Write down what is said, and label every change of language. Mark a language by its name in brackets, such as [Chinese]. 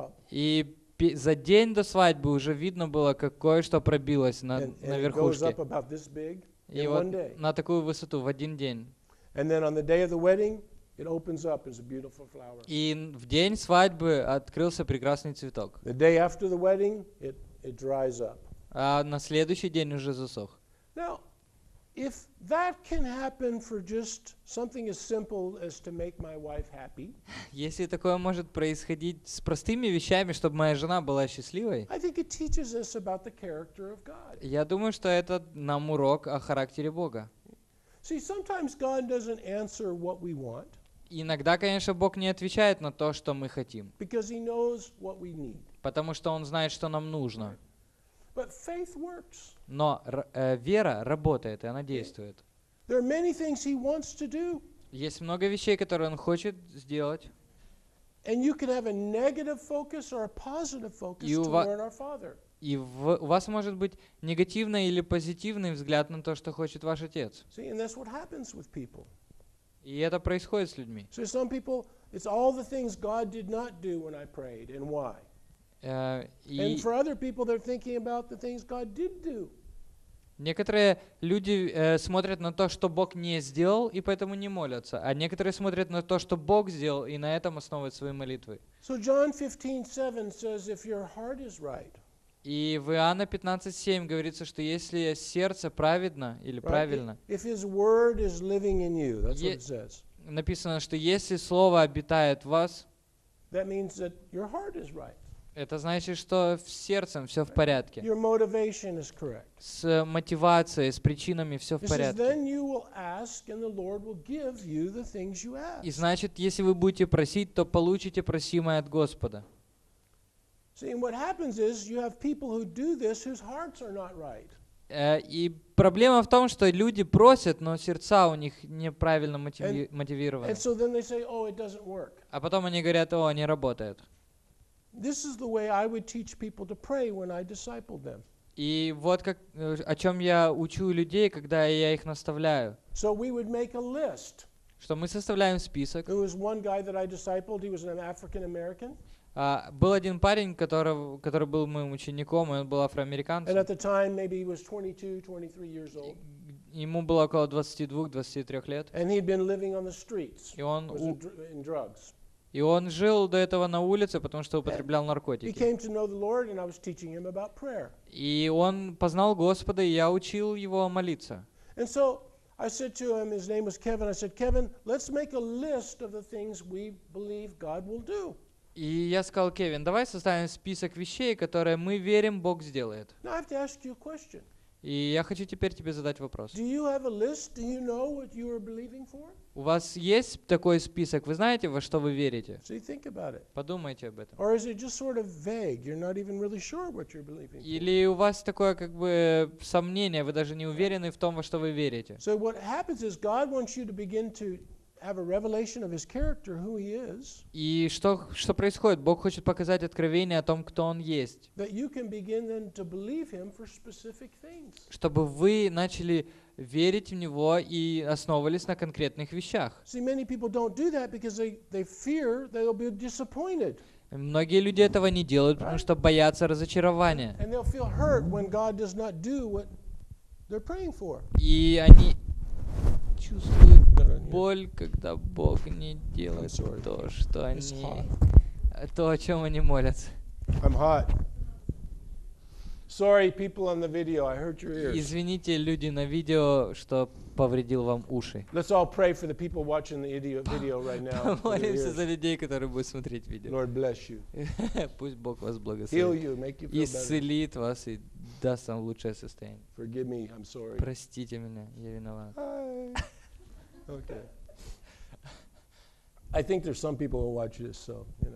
[Russian] И за день до свадьбы уже видно было, как кое-что пробилось на верхушке. И вот на такую высоту в один день. [English] And then on the day of the wedding, it opens up as a beautiful flower. [Russian] И в день свадьбы открылся прекрасный цветок. [English] The day after the wedding, it dries up. [Russian] А на следующий день уже засох. [English] Now, if that can happen for just something as simple as to make my wife happy. [Russian] Если такое может происходить с простыми вещами, чтобы моя жена была счастливой. [English] I think it teaches us about the character of God. [Russian] Я думаю, что это нам урок о характере Бога. [English] See, sometimes God doesn't answer what we want. [Russian] Иногда, конечно, Бог не отвечает на то, что мы хотим. [English] Because he knows what we need. [Russian] Потому что он знает, что нам нужно. [English] But faith works. [Russian] Но вера работает, и она действует. [English] There are many things he wants to do. [Russian] Есть много вещей, которые он хочет сделать. [English] And you can have a negative focus or a positive focus to learn our Father. [Russian] И у вас может быть негативный или позитивный взгляд на то, что хочет ваш отец. [English] See, and that's what happens with people. [Russian] И это происходит с людьми. [English] So some people, it's all the things God did not do when I prayed, and why? And for other people, they're thinking about the things God did do. [Russian] Некоторые люди смотрят на то, что Бог не сделал, и поэтому не молятся. А некоторые смотрят на то, что Бог сделал, и на этом основывают свои молитвы. [English] So John 15:7 says, if your heart is right. [Russian] И в Иоанна 15:7 говорится, что если сердце праведно или правильно. [English] If his word is living in you, that's what it says. [Russian] Написано, что если слово обитает в вас. [English] That means that your heart is right. [Russian] Это значит, что с сердцем все в порядке. [English] Your motivation is correct. [Russian] С мотивацией, с причинами все в порядке. [English] Then you will ask and the Lord will give you the things you ask. [Russian] И значит, если вы будете просить, то получите просимое от Господа. [English] See, what happens is you have people who do this whose hearts are not right. [Russian] И проблема в том, что люди просят, но сердца у них неправильно мотивированы. [English] And so then they say, oh, it doesn't work. [Russian] А потом они говорят, о, не работает. [English] This is the way I would teach people to pray when I discipled them. [Russian] И вот как о чем я учу людей, когда я их наставляю. [English] So we would make a list. [Russian] Что мы составляем список. [English] There was one guy that I discipled. He was an African American. [Russian] Был один парень, который был моим учеником, и он был афроамериканцем. [English] And at the time, maybe he was 22-23 years old. [Russian] Ему было около 22-23 лет. [English] And he'd been living on the streets. [Russian] И он [English] in drugs. [Russian] И он жил до этого на улице, потому что употреблял наркотики. И он познал Господа, и я учил его молиться. [English] And so I said to him, his name was Kevin. I said, Kevin, let's make a list of the things we believe God will do. [Russian] И я сказал, Кевин, давай составим список вещей, которые мы верим, Бог сделает. [English] Now I have to ask you a question. [Russian] И я хочу теперь тебе задать вопрос. [English] Do you have a list? Do you know what you are believing for? [Russian] У вас есть такой список? Вы знаете, во что вы верите? [English] So you think about it. [Russian] Подумайте об этом. [English] Or is it just sort of vague? You're not even really sure what you're believing for. [Russian] Или у вас такое как бы сомнение? Вы даже не уверены в том, во что вы верите? [English] So what happens is God wants you to begin to have a revelation of his character, who he is. [Russian] И что происходит? Бог хочет показать откровение о том, кто он есть. [English] That you can begin then to believe him for specific things. [Russian] Чтобы вы начали верить в него и основывались на конкретных вещах. [English] See, many people don't do that because they fear they'll be disappointed. [Russian] Многие люди этого не делают, потому что боятся разочарования. [English] And they'll feel hurt when God does not do what they're praying for. [Russian] И они чувствуют боль, когда Бог не делает то, что они, то, о чем они молятся. [English] I'm hot. Sorry, people on the video, I hurt your ears. [Russian] Извините, люди на видео, что повредил вам уши. [English] Let's all pray for the people watching the video right now. [Russian] Помолимся за людей, которые будут смотреть видео. [English] Lord bless you. [Russian] Пусть Бог вас благословит. Исцелит вас и даст вам лучшее состояние. [English] Forgive me, I'm sorry. [Russian] Простите меня, я виноват. [English] Okay. I think there's some people who watch this, so,